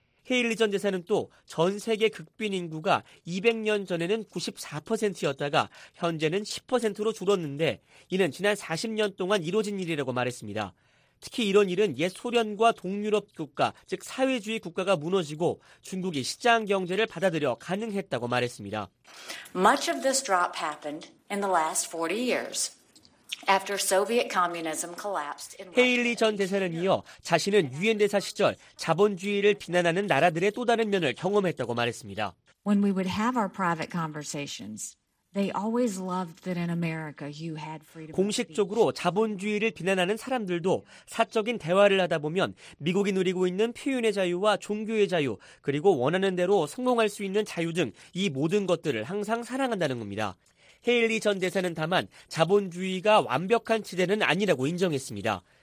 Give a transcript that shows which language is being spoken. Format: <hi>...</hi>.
<ko>헤일리 전 대사는 또 전 세계 극빈 인구가 200년 전에는 94%였다가 현재는 10%로 줄었는데 이는 지난 40년 동안 이루어진 일이라고 말했습니다. 특히 이런 일은 옛 소련과 동유럽 국가, 즉 사회주의 국가가 무너지고 중국이 시장 경제를 받아들여 가능했다고 말했습니다.</ko> <en>Much of this drop happened in the last 40 years. After Soviet communism collapsed in</en> <ko>헤일리 전 대사는 이어 자신은 유엔 대사 시절 자본주의를 비난하는 나라들의 또 다른 면을 경험했다고 말했습니다.</ko> <en>When we would have our private conversations, they always loved that in America you had freedom.</en> <ko>공식적으로 자본주의를 비난하는 사람들도 사적인 대화를 하다 보면 미국이 누리고 있는 표현의 자유와 종교의 자유, 그리고 원하는 대로 성공할 수 있는 자유 등 이 모든 것들을 항상 사랑한다는 겁니다. 헤일리 전 대사는 다만 자본주의가 완벽한 지대는 아니라고 인정했습니다.</ko>